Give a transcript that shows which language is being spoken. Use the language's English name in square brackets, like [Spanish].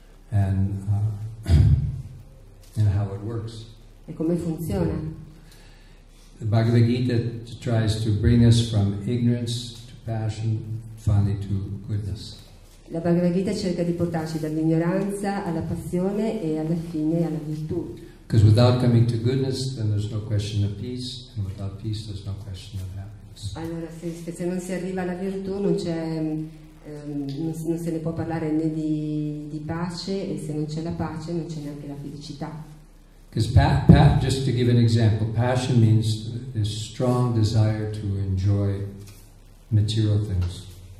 [English] And how it works. [Italian] E come funziona. [English] The Bhagavad Gita tries to bring us from ignorance to passion, finally to goodness. [Italian] La Bhagavad Gita cerca di portarci dall'ignoranza alla passione e alla fine alla virtù. [English] Because without coming to goodness, then there's no question of peace, and without peace, there's no question of happiness. [Italian] Allora, se non si arriva alla virtù, non c'è, non se ne può parlare né di pace, e se non c'è la pace, non c'è neanche la felicità. [English] Just to give an example, passion means this strong desire to enjoy material things.